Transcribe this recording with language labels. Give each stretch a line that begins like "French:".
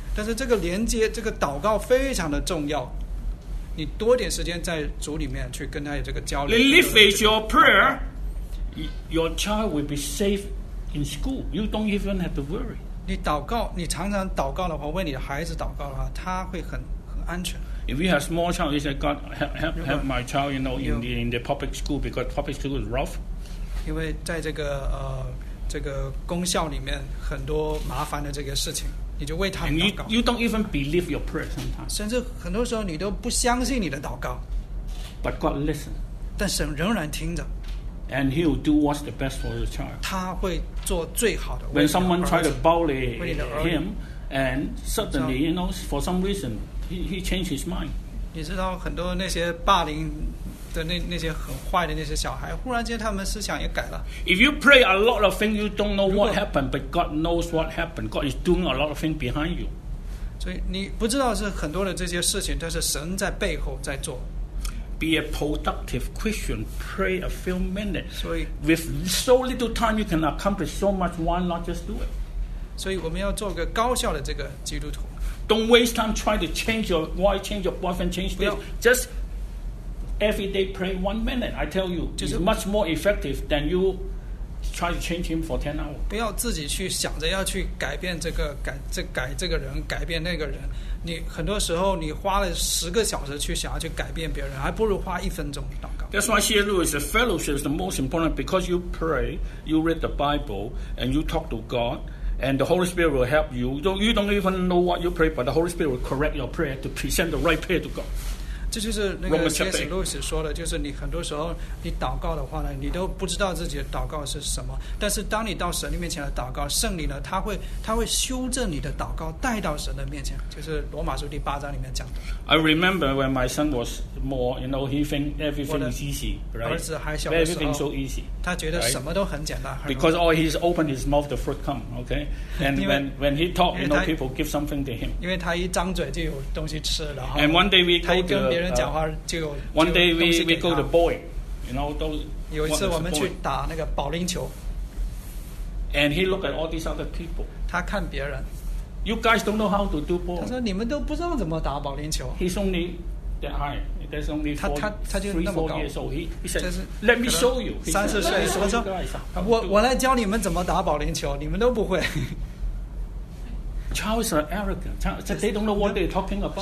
Chinese: 但是这个连接，这个祷告非常的重要。你多点时间在主里面去跟他有这个交流。
English: If it's your prayer. Your child will be safe in school. You don't even have to worry.
Chinese: 你祷告，你常常祷告的话，为你的孩子祷告的话，他会很安全。
English: If you have small child, you say, God, help my child, you know, in the public school, because public school is rough.
Chinese: 因为在这个这个公校里面很多麻烦的这个事情，你就为他祷告。
English: You don't even believe your prayer sometimes.
Chinese: 甚至很多时候你都不相信你的祷告。
English: But God listens.
Chinese: 但神仍然听着。
English: And he will do what's the best for your child.
Chinese: 他会做最好的。
English: When someone tried to bully him, and suddenly, you know, for some reason, he changed his mind.
Chinese: 你知道很多那些霸凌的那些很坏的那些小孩，忽然间他们思想也改了。
English: If you pray a lot of things, you don't know what happened, but God knows what happened. God is doing a lot of things behind you.
Chinese: 所以你不知道是很多的这些事情，但是神在背后在做。
English: Be a productive Christian. Pray a few minutes. With so little time, you can accomplish so much. Why not just do it?
Chinese: 所以我们要做个高效的这个基督徒。
English: Don't waste time trying to change your wife, change your boyfriend, change this. Just every day pray 1 minute. I tell you, it's much more effective than you try to change him for 10 hours.
Chinese: 不要自己去想着要去改变这个改这个人改变那个人，你很多时候你花了十个小时去想要去改变别人，还不如花一分钟祷告。
English: That's why C.S. Lewis, the fellowship is the most important, because you pray, you read the Bible, and you talk to God, and the Holy Spirit will help you. You don't even know what you pray, but the Holy Spirit will correct your prayer to present the right prayer to God.
Chinese: 这就是那个 C.S. Lewis 说的，就是你很多时候你祷告的话呢，你都不知道自己的祷告是什么，但是当你到神的面前来祷告，圣灵呢他会修正你的祷告带到神的面前，就是罗马书第八章里面讲的。
English: I remember when my son was more, you know, he think everything is easy, right?
Chinese: 儿子还小的时候他觉得什么都很简单。
English: Because all he's open his mouth, the fruit come, okay? And when he talk, you know, people give something to him.
Chinese: 因为他一张嘴就有东西吃，然后
English: And one day we go to one day we go to bowling, you know, those.
Chinese: 有一次我们去打那个保龄球。
English: And he looked at all these other people.
Chinese: 他看别人。
English: You guys don't know how to do bowling.
Chinese: 他说你们都不知道怎么打保龄球。
English: He's only that high. That's only four years old. He said, "Let me show you."
Chinese: 三十岁，我说我来教你们怎么打保龄球，你们都不会。
English: Child is arrogant. They don't know what they're talking about.